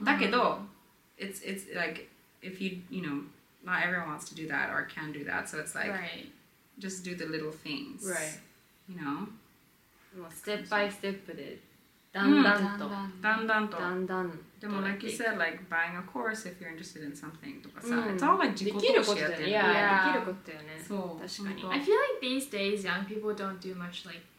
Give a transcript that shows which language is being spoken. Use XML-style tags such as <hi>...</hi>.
<en>だけど, it's like, if you, you know, not everyone wants to do that or can do that. So it's like, just do the little things. You know? Well, step by step. でも like you said, like buying a course if you're interested in something とかさ、it's all like</en> <ja>自己投資やってる。できることよね。そう。確かに。</ja> <en>I feel like these days young people don't do much like</en>